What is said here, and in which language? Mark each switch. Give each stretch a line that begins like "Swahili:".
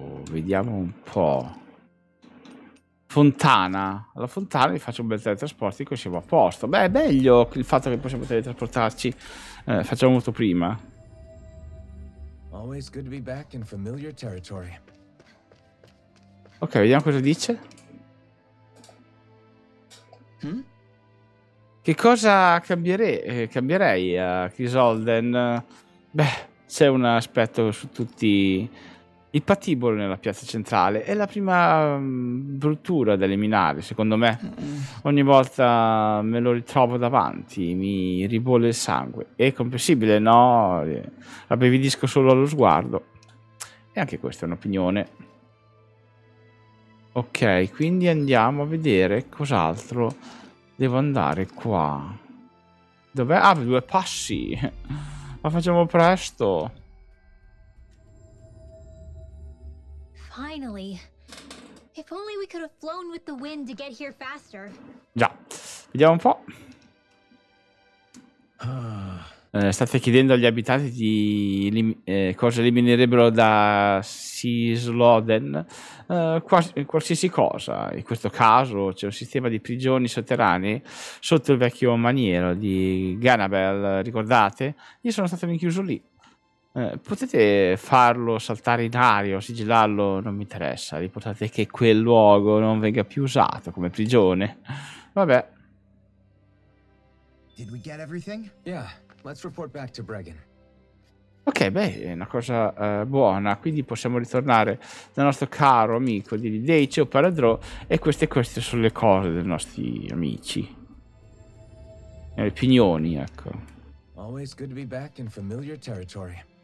Italian: Vediamo un po'. Fontana. Alla fontana vi faccio un bel teletrasporto e così siamo a posto. Beh, è meglio il fatto che possiamo teletrasportarci. Facciamo molto prima.
English: Always good to be back in familiar territory.
Italian: Ok, vediamo cosa dice. Che cosa cambierei a Chrysalden? Beh, c'è un aspetto su tutti. Il patibolo nella piazza centrale è la prima bruttura da eliminare, secondo me. Ogni volta me lo ritrovo davanti, mi ribolle il sangue. È comprensibile, no? Abbevidisco solo allo sguardo. E anche questa è un'opinione. Ok, quindi andiamo a vedere cos'altro devo andare qua. Dov'è? Ah, due passi! Ma facciamo presto!
English: Finally. If only we could have flown with the wind to get here faster.
Italian: Già, vediamo un po'. State chiedendo agli abitanti di cosa eliminerebbero da Sisloden. Qualsiasi cosa. In questo caso c'è un sistema di prigioni sotterranei sotto il vecchio maniero di Ganabel, ricordate? Io sono stato rinchiuso lì. Potete farlo saltare in aria o sigillarlo, non mi interessa. Riportate che quel luogo non venga più usato come prigione. Vabbè.
English: Did we get everything? Yeah, let's report back to Bregan.
Italian: Ok, beh, è una cosa buona. Quindi possiamo ritornare dal nostro caro amico di Dace o Paradro. E queste sono le cose dei nostri amici. Le opinioni, ecco.
English: Always good to be back in familiar territory.